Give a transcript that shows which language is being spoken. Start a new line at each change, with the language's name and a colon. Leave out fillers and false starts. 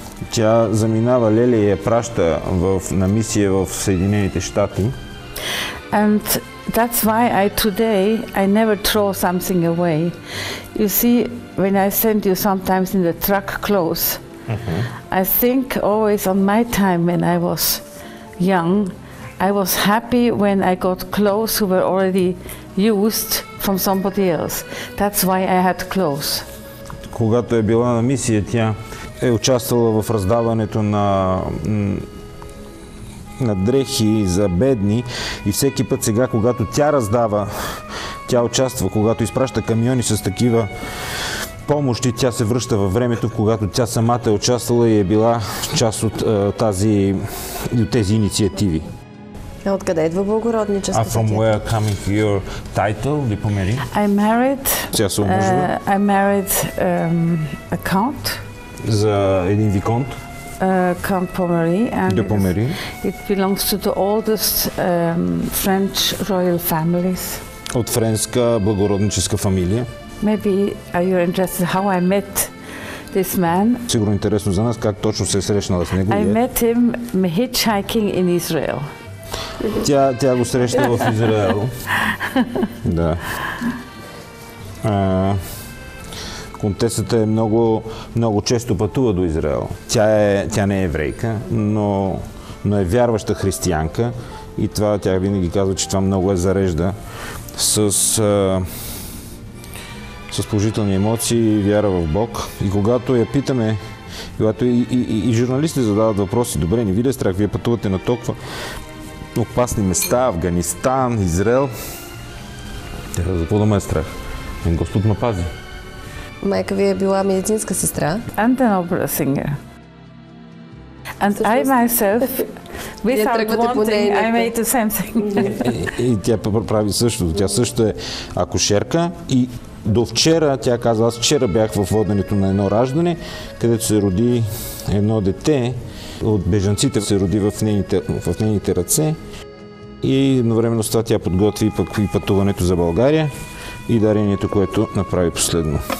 Bulgarian: Тя заминава, Леля я праща на мисия в Съединените щати.
English: And that's why I never throw something away. You see, when I send you sometimes in the truck clothes, I think always on my time when I was young, I was happy when I got clothes who were already used from somebody else. That's why I had clothes.
Bulgarian: Когато е била на мисия, тя е участвала в раздаването на дрехи за бедни и всеки път сега, когато тя раздава, тя участва, когато изпраща камиони с такива помощи, тя се връща във времето, когато тя самата е участвала и е била част от тези инициативи. А откъде идва благородничеството?
English: А from where coming your title, the Pommery? I married a count.
Bulgarian: За един виконт.
English: Count Pommery, and De Pommery. It belongs to the oldest French royal families.
Bulgarian: От френска благородническа фамилия.
English: Maybe are you interested how I met this man?
Bulgarian: Сигурно интересно за нас как точно се срещнала с него.
English: I met him hitchhiking in Israel.
Bulgarian: Тя го среща в Израел. Да. Контесата е много, много често пътува до Израел. Тя не е еврейка, но е вярваща християнка и това тя винаги казва, че това много е зарежда с положителни емоции и вяра в Бог. И когато я питаме, когато и журналисти задават въпроси, добре, не ви ли е страх, вие пътувате на толкова опасни места, Афганистан, Израел. За какво да ме е страх? Господ ме пази. Майка ви е била медицинска сестра.
English: Антен Обрасингер. And I myself, without wanting, I made the same thing.
Bulgarian: И тя прави същото. Тя също е акушерка и до вчера, тя каза, аз вчера бях в воденето на едно раждане, където се роди едно дете от бежанците, се роди в нейните ръце и едновременно с това тя подготви пък и пътуването за България и дарението, което направи последно.